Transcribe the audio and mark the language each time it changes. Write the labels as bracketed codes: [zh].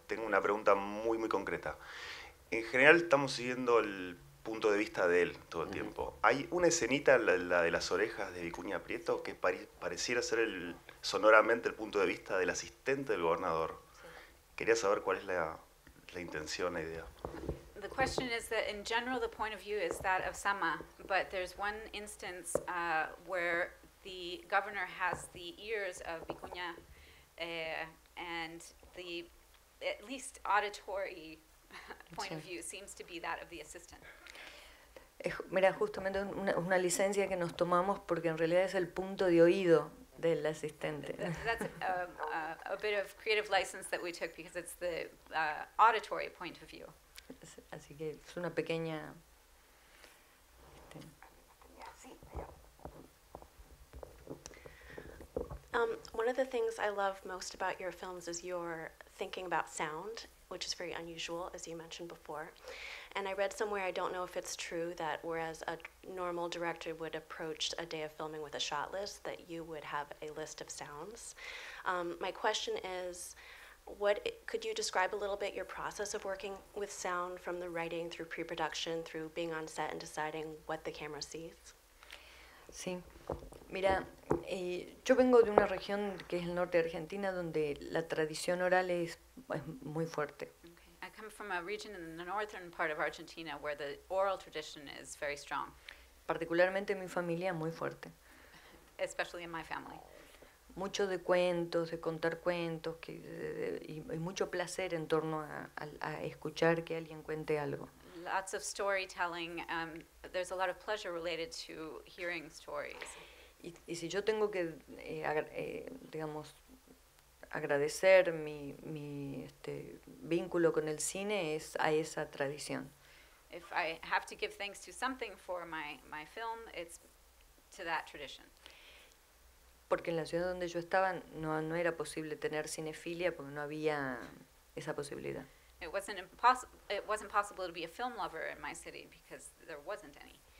[es] Tengo una pregunta muy, muy concreta. En general estamos siguiendo el punto de vista de él todo el tiempo. Hay una escenita, la de las orejas de Vicuña Prieto, que pareciera ser sonoramente el punto de vista del asistente del gobernador. Sí. Quería saber cuál es la intención, la idea. [en] The question is that, in general, the point of view is that of Sama, but there's one instance where the governor has the ears of Vicuña, and the at least auditory point of view seems to be that of the assistant. [es] Mira, justamente una licencia que nos tomamos porque en realidad es el punto de oído del asistente. [en] That's a bit of creative license that we took because it's the auditory point of view. [es] Así que es una pequeña... [en] One of the things I love most about your films is your thinking about sound, which is very unusual, as you mentioned before. And I read somewhere, I don't know if it's true, that whereas a normal director would approach a day of filming with a shot list, that you would have a list of sounds. My question is, could you describe a little bit your process of working with sound, from the writing through pre-production, through being on set and deciding what the camera sees? [es] Sí. Mira, yo vengo de una región que es el norte de Argentina, donde la tradición oral es muy fuerte. [en] Okay. I come from a region in the northern part of Argentina where the oral tradition is very strong. [es] Particularmente en mi familia, muy fuerte. [en] Especially in my family. [es] Mucho de cuentos, de contar cuentos, y mucho placer en torno a escuchar que alguien cuente algo. [en] lots of storytelling. There's a lot of pleasure related to hearing stories. [es] Y si yo tengo que digamos agradecer mi este vínculo con el cine es a esa tradición. [en] If I have to give thanks to something for my film, it's to that tradition. [es] Porque en la ciudad donde yo estaba no era posible tener cinefilia porque no había esa posibilidad. [en] It wasn't possible to be a film lover in my city because there wasn't any.